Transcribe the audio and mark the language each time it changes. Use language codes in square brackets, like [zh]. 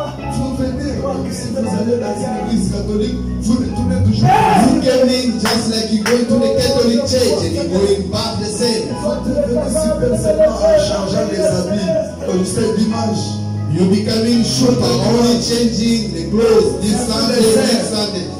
[fr] Si vous allez dans l'église catholique, vous retournez toujours. Vous gagnez, [en] just like you go to the Catholic Church and you go in back the same. [fr] Vous devenez super saint en changeant les habits au seul dimanche. [en] You becoming super only changing the clothes this Sunday, next Sunday.